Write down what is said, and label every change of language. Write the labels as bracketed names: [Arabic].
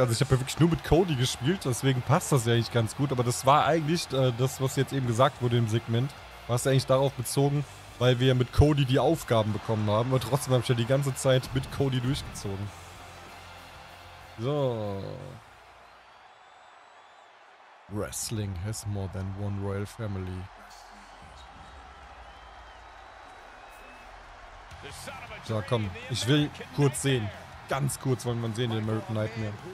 [German] Also ich habe ja wirklich nur mit Cody gespielt, deswegen passt das ja eigentlich ganz gut. Aber das war eigentlich das, was jetzt eben gesagt wurde im Segment. War es eigentlich darauf bezogen, weil wir mit Cody die Aufgaben bekommen haben. Und trotzdem habe ich ja die ganze Zeit mit Cody durchgezogen. So. [English] Wrestling has more than one royal family. [German] Ja, komm, ich will kurz sehen. Ganz kurz wollen wir ihn sehen, den American Nightmare.